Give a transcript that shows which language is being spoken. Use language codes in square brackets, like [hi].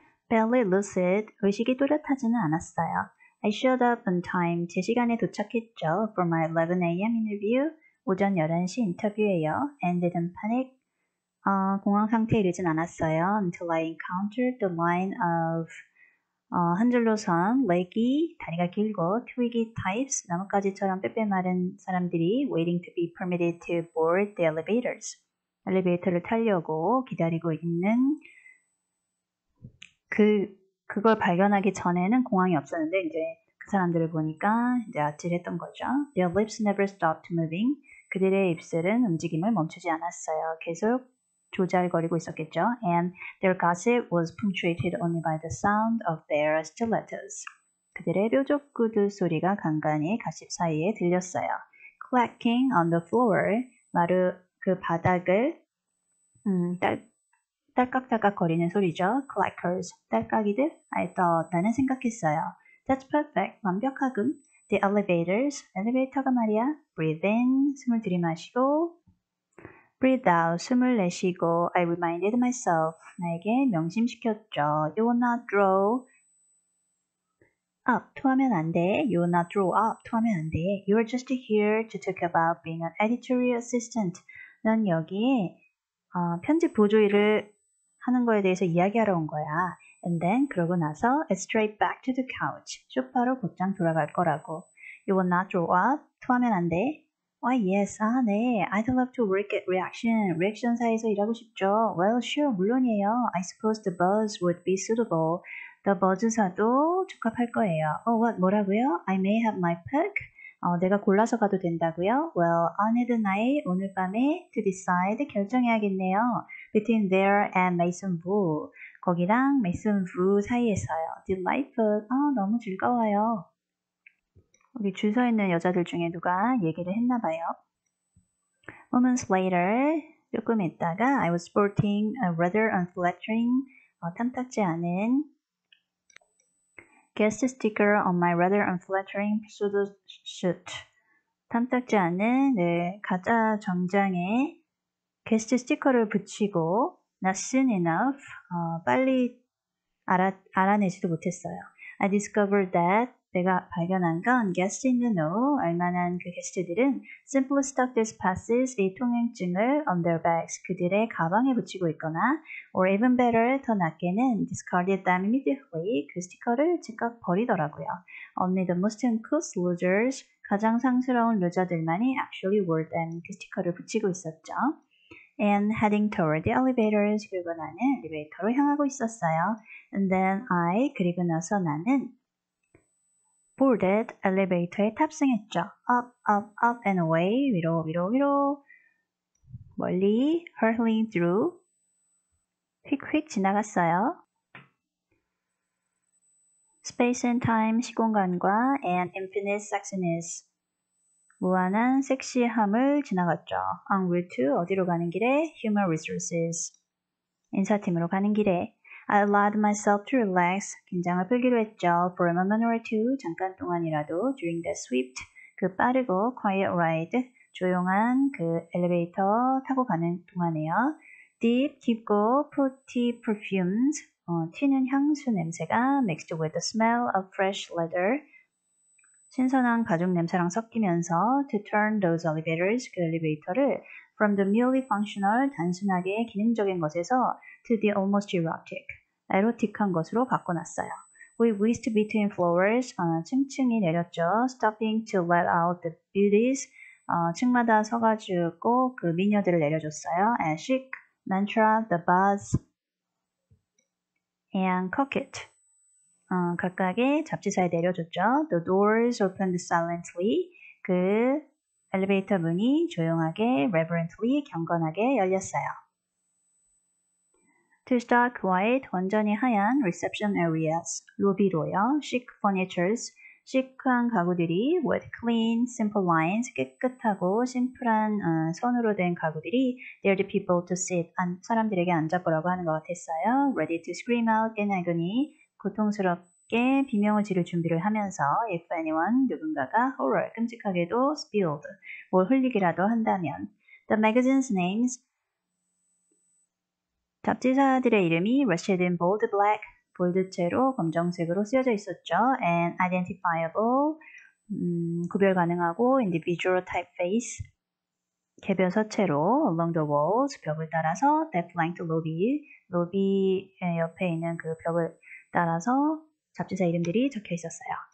[en] Fairly lucid, [ko] 의식이 뚜렷하지는 않았어요. [en] I showed up on time, [ko] 제 시간에 도착했죠. [en] For my 11 AM interview, [ko] 오전 11시 인터뷰예요. [en] And didn't panic, [ko] 공황 상태에 이르진 않았어요. [en] Until I encountered the line of, [ko] 한 줄로 선, [en] leggy, [ko] 다리가 길고, [en] twiggy types, [ko] 나뭇가지처럼 빼빼 마른 사람들이 [en] waiting to be permitted to board the elevators. [ko] 엘리베이터를 타려고 기다리고 있는 그걸 발견하기 전에는 공황이 없었는데, 이제 그 사람들을 보니까 이제 아찔했던 거죠. [en] Their lips never stopped moving. [ko] 그들의 입술은 움직임을 멈추지 않았어요. 계속 조잘거리고 있었겠죠. [en] And their gossip was punctuated only by the sound of their stilettos. [ko] 그들의 뾰족구두 소리가 간간이 가십 사이에 들렸어요. [en] Clacking on the floor. [ko] 마루 그 바닥을, 딸깍딸깍거리는 소리죠. [en] Clackers, [ko] 딸깍이들? [en] I thought, [ko] 나는 생각했어요. [en] That's perfect, [ko] 완벽하군. [en] The elevators, [ko] 엘리베이터가 말이야. [en] Breathe in, [ko] 숨을 들이마시고. [en] Breathe out, [ko] 숨을 내쉬고. [en] I reminded myself, [ko] 나에게 명심시켰죠. [en] You will not draw up, [ko] 토하면 안 돼. [en] You will not draw up, [ko] 토하면 안 돼. [en] You are just here to talk about being an editorial assistant. [ko] 넌 여기에 편집 보조일을 하는 거에 대해서 이야기하러 온 거야. [en] And then, [ko] 그러고 나서, [en] it's straight back to the couch. [ko] 소파로 곧장 돌아갈 거라고. [en] You will not draw up? [ko] 토하면 안 돼. [en] Why, yes. [ko] 아, 네. [en] I'd love to work at reaction. [ko] 리액션 사에서 일하고 싶죠. [en] Well, sure. [ko] 물론이에요. [en] I suppose the buzz would be suitable. [ko] The buzz사도 적합할 거예요. [en] Oh, what? [ko] 뭐라고요? [en] I may have my pick. [ko] 내가 골라서 가도 된다고요? [en] Well, on it tonight, [ko] 오늘 밤에 [en] to decide [ko] 결정해야겠네요. [en] Between there and Mason Wu, [ko] 거기랑 Mason Wu 사이에서요. [en] Delightful. [ko] 너무 즐거워요. 우리 줄서 있는 여자들 중에 누가 얘기를 했나 봐요. [en] Moments later, [ko] 조금 있다가 [en] I was sporting a rather unflattering, [ko] 탐탁지 않은 [en] Guest sticker on my rather unflattering pseudo suit. [ko] 탐탁지 않은, 네, 가짜 정장에 게스트 스티커를 붙이고, [en] not soon enough, [ko] 빨리 알아내지도 못했어요. [en] I discovered that, [ko] 내가 발견한 건, [en] guest in the know, [ko] 알 만한 그 게스트들은, [en] simply stuck these passes, [ko] 이 통행증을 [en] on their bags, [ko] 그들의 가방에 붙이고 있거나, [en] or even better, [ko] 더 낫게는, [en] discarded them immediately, [ko] 그 스티커를 즉각 버리더라고요. [en] Only the most uncouth losers, [ko] 가장 상스러운 루저들만이 [en] actually wore them, [ko] 그 스티커를 붙이고 있었죠. [en] And heading toward the elevators, [ko] 그리고 나는 엘리베이터로 향하고 있었어요. [en] And then I, [ko] 그리고 나서 나는, [en] boarded [ko] 엘리베이터에 탑승했죠. [en] Up, up, up and away. [ko] 위로, 위로, 위로. 멀리, [en] hurtling through. [ko] 휙휙 지나갔어요. [en] Space and time, [ko] 시공간과 [en] and infinite sexiness. [ko] 무한한 섹시함을 지나갔죠. [en] En route to [ko] 어디로 가는 길에? [en] Human resources. [ko] 인사팀으로 가는 길에. [en] I allowed myself to relax. [ko] 긴장을 풀기로 했죠. [en] For a moment or two. [ko] 잠깐 동안이라도. [en] During the swift. [ko] 그 빠르고 [en] quiet ride. [ko] 조용한 그 엘리베이터 타고 가는 동안에요. [en] Deep, [ko] 깊고 [en] fruity perfumes. [ko] 튀는 향수 냄새가 [en] mixed with the smell of fresh leather. [ko] 신선한 가죽 냄새랑 섞이면서 [en] to turn those elevators, [ko] 그 엘리베이터를 [en] from the merely functional, [ko] 단순하게 기능적인 것에서 [en] to the almost erotic, [ko] 에로틱한 것으로 바꿔놨어요. [en] We whisked between floors, [ko] 층층이 내렸죠. [en] Stopping to let out the beauties, [ko] 층마다 서가지고 그 미녀들을 내려줬어요. [en] And chic, mantra, the buzz, and cocket. [ko] 각각의 잡지사에 내려줬죠. [en] The doors opened silently. [ko] 그 엘리베이터 문이 조용하게, [en] reverently, [ko] 경건하게 열렸어요. [en] To stark white, [ko] 완전히 하얀 [en] reception areas, [ko] 로비로요. [en] Chic furnitures, [ko] 시크한 가구들이 [en] with clean, simple lines, [ko] 깨끗하고 심플한 선으로 된 가구들이 [en] dared people to sit, [ko] 사람들에게 앉아보라고 하는 것 같았어요. [en] Ready to scream out in agony, [ko] 고통스럽게 비명을 지를 준비를 하면서 [en] if anyone [ko] 누군가가 [en] horror [ko] 끔찍하게도 [en] spilled [ko] 뭘 흘리기라도 한다면 [en] the magazine's names [ko] 잡지사들의 이름이 [en] Rashid in bold black [ko] 볼드체로 검정색으로 쓰여져 있었죠. [en] And identifiable, [ko] 구별 가능하고 [en] individual typeface, [ko] 개별 서체로 [en] along the walls, [ko] 벽을 따라서 [en] that flanked lobby, [ko] 로비 옆에 있는 그 벽을 따라서 잡지사 이름들이 적혀 있었어요.